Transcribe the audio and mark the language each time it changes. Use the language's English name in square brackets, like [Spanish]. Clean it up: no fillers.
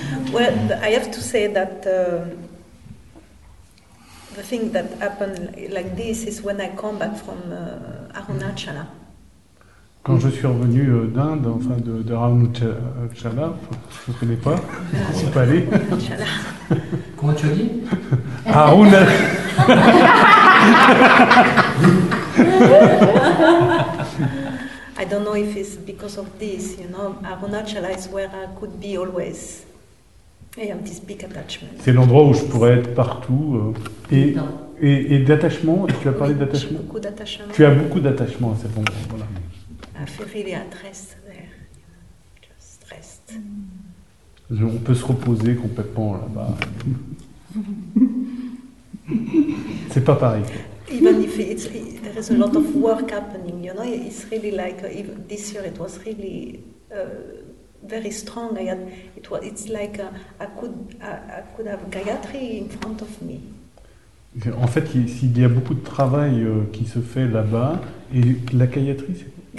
[English] Well, I have to say that the thing that happened like this is when I come back from Arunachala. [French] Quand je suis revenu d'Inde, enfin de Arunachala, je ne connais pas, je ne suis pas allé. Comment tu as dit? Arunachala. [English] I don't know if it's because of this, you know. Arunachala is where I could be always. I have this big attachment. [French] C'est l'endroit où je pourrais être partout. Et d'attachement, tu as parlé d'attachement. J'ai beaucoup d'attachement. Tu as beaucoup d'attachement à cet endroit, voilà. [English] Just rest. [French] On peut se reposer complètement là-bas. C'est pas pareil. [English] Even if there is a lot of work happening, you know, it's really like this year it was really very strong. I had it was it's like I could have Gayatri in front of me. [French] En fait, s'il y a beaucoup de travail qui se fait là-bas et la Gayatri, c'est